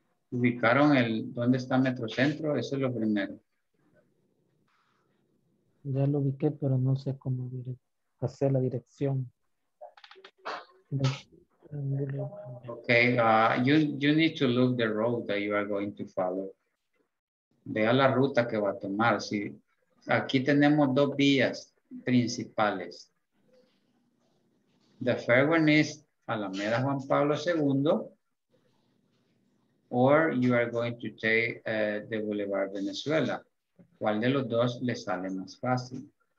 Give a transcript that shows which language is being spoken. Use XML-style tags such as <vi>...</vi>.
<es>ubicaron el dónde está Metrocentro, eso es lo primero. Ya lo ubiqué, pero no sé cómo hacer la dirección.</es> <en>Okay, you need to look the road that you are going to follow.</en> <es>Vea la ruta que va a tomar. Sí. Aquí tenemos dos vías principales.</es> <en>The first one is Alameda Juan Pablo II, or you are going to take the Boulevard Venezuela.</en> <es>¿Cuál de los dos le sale más fácil?</es>